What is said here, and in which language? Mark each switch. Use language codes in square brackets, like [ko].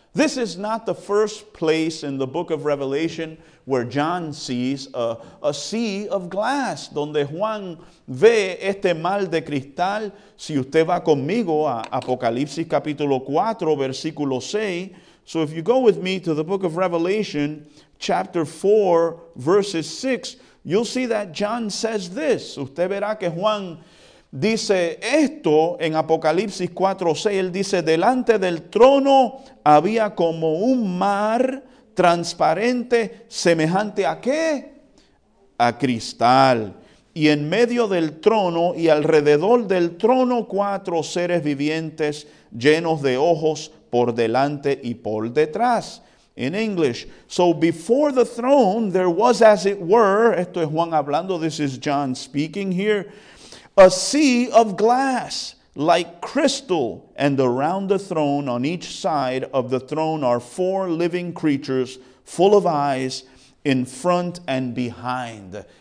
[en] This is not the first place in the book of Revelation where John sees a sea of glass, [es] donde Juan ve este mal de cristal. Si usted va conmigo a Apocalipsis capítulo 4, versículo 6. [en] So if you go with me to the book of Revelation, chapter 4, verses 6, you'll see that John says this. [es] Usted verá que Juan dice esto en Apocalipsis 4, 6. Él dice, delante del trono había como un mar transparente, semejante a qué? A cristal. Y en medio del trono y alrededor del trono, cuatro seres vivientes llenos de ojos por delante y por detrás. [en] In English, so before the throne, there was as it were, [es] esto es Juan hablando, [en] this is John speaking here, a sea of glass, like crystal, and around the throne, on each side of the throne, are four living creatures, full of eyes, in front and behind.